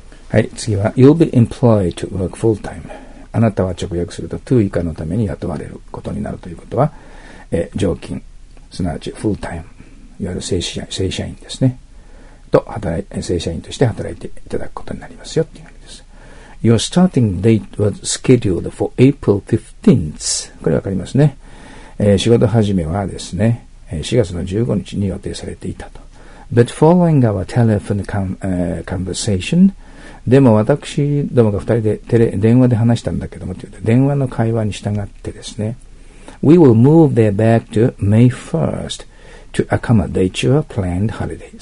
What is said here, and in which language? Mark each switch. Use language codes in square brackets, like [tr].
[ja] はい、次は [en] You'll be employed to work full time。 [ja] あなたは直訳すると to 以下のために雇われることになるということは、常勤すなわちフルタイム、いわゆる正社員ですねと正社員として働いていただくことになりますよっていう意味です。 [en] Your starting date was scheduled for April 15th。 [ja] これわかりますね。仕事始めはですね、4月の15日に予定されていたと。 [en] But following our telephone conversation、 [ja] でも私どもが二人で電話で話したんだけどもって言って、電話の会話に従ってですね、 [en] We will move there back to May 1st to accommodate your planned holiday。